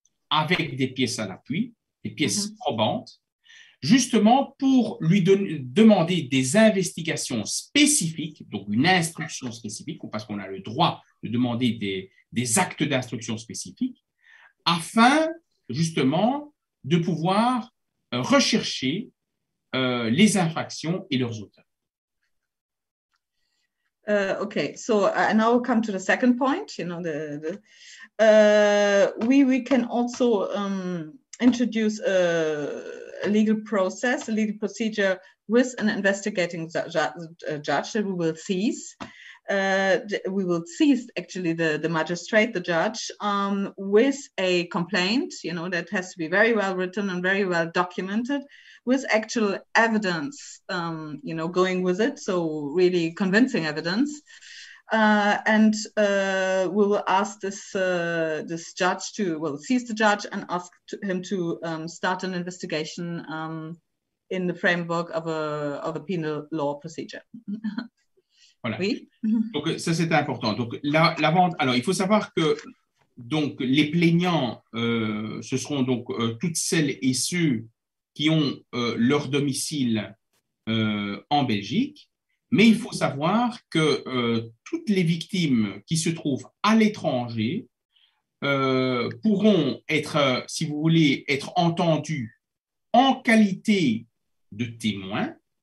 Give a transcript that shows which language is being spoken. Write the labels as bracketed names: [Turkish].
[French] avec des pièces à l'appui, des pièces probantes, justement pour lui demander des investigations spécifiques, donc une instruction spécifique, parce qu'on a le droit de demander des actes d'instruction spécifiques, afin justement de pouvoir rechercher les infractions et leurs auteurs. [English] Okay, so I now come to the second point. You know, we can also introduce a legal process, a legal procedure with an investigating judge that we will seize. We will see actually the magistrate, the judge, with a complaint, you know, that has to be very well written and very well documented, with actual evidence, you know, going with it, so really convincing evidence. And we will ask this judge to, well, seize the judge and ask him to start an investigation in the framework of a penal law procedure. [French] Voilà. Oui. Donc ça c'est important. Donc alors il faut savoir que donc les plaignants ce seront donc toutes celles et ceux qui ont leur domicile en Belgique, mais il faut savoir que toutes les victimes qui se trouvent à l'étranger pourront être si vous voulez être entendues en qualité de témoin.